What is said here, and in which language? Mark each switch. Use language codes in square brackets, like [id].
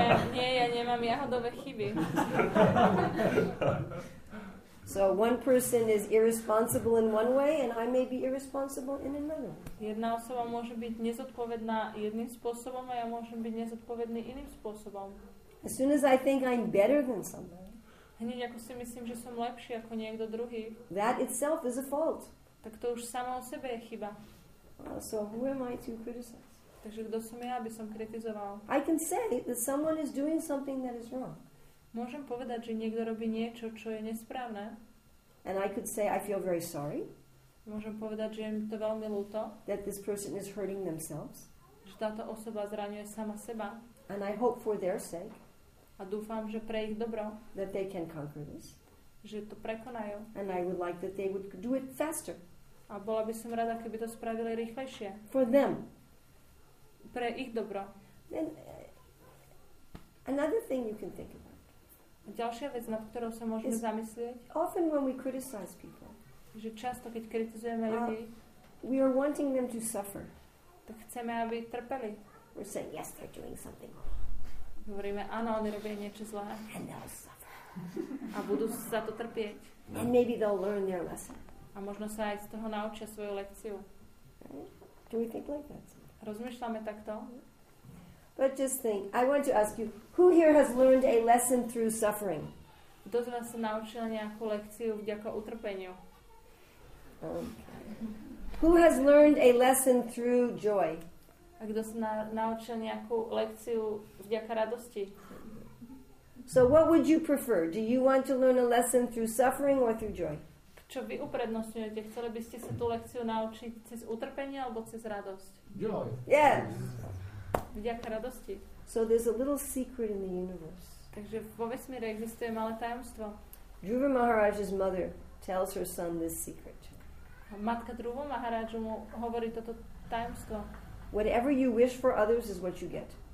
[sk] Nie, ja nemám jahodové chyby. [en] So one person is irresponsible in one way and I may be irresponsible in another. [sk] Jedna osoba môže byť nezodpovedná jedným spôsobom a ja môžem byť nezodpovedný iným spôsobom. [en] As soon as I think I'm better than somebody, [sk] hneď ako si myslím, že som lepší ako niekto druhý, [en] that itself is a fault. [sk] Tak to už samo o sebe je chyba. [en] So who am I to criticize? [sk] Takže kto som ja, aby som kritizoval? [en] I can say that someone is doing something that is wrong. [sk] Môžem povedať, že niekto robí niečo, čo je nesprávne. [en] And I could say I feel very sorry. [sk] Môžem povedať, že je mi to veľmi ľúto. [en] That this person is hurting themselves. [sk] Že táto osoba zraňuje sama seba. [en] And I hope for their sake. [sk] A dúfam, že pre ich dobro. [en] That they can conquer this. [sk] Že to prekonajú. [en] And I would like that they would do it faster. [sk] A bola by som rada, keby to spravili rýchlejšie. [en] For them. [sk] Pre ich dobro. [en] Then, another thing you can think about. [sk] A ďalšia vec, nad ktorou sa môžeme zamyslieť. [en] Often when we criticize people. [sk] Že často, keď kritizujeme ľudí. [en] We are wanting them to suffer. [sk] Tak chceme, aby trpeli. [en] We're saying, yes, they're doing something wrong. [sk] Hovoríme, áno, oni robia niečo zlé. [en] And they'll suffer. [sk] A budú za to trpieť. [en] No. And maybe they'll learn their lesson. [sk] A možno sa aj z toho naučia svoju lekciu. [en] Do we think like that? [sk] Rozmýšľame takto? [en] But just think, I want to ask you, who here has learned a lesson through suffering? [sk] Kto z vás sa naučil nejakú lekciu vďaka utrpeniu? [en] Okay. Who has learned a lesson through joy? [sk] A kto sa naučil nejakú lekciu vďaka radosti? [en] So what would you prefer? Do you want to learn a lesson through suffering or through joy? [sk] Čo vy uprednostňujete? Chceli by ste sa tú lekciu naučiť cez utrpenie alebo cez radosť? [en] Joy. Yes. [sk] Vďaka radosti. [en] So there's a little secret in the universe. [sk] Takže vo vesmíre existuje malé tajomstvo. [en] Dhruva Maharaj's mother tells her son this secret. [sk] Matka Dhruva Maharaja mu hovorí toto tajomstvo. [en] Whatever you wish for others is what you get.